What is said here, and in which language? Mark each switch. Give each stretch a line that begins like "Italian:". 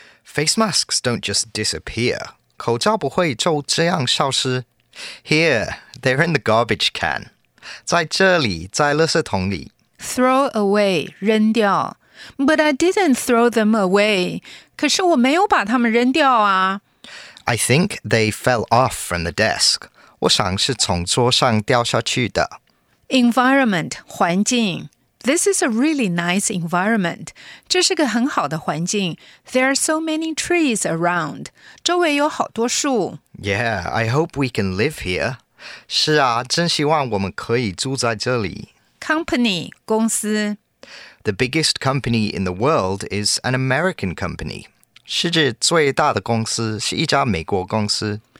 English: Face masks don't just disappear.
Chinese: 口罩不会就这样消失。
English: Here, they're in the garbage can.
Chinese: 在这里，在垃圾桶里。
English: Throw away, 扔掉。But I didn't throw them away.
Chinese: 可是我没有把它们扔掉啊。
English: I think they fell off from the desk.
Chinese: 我想是从桌上掉下去的。
English: Environment, 环境。This is a really nice environment.
Chinese: 这是个很好的环境。
English: There are so many trees around.
Chinese: 周围有好多树。
English: Yeah, I hope we can live here.
Chinese: 是啊，真希望我们可以住在这里。
English: Company, 公司。 The biggest company in the world is an American company.
Chinese: 世界最大的公司是一家美国公司。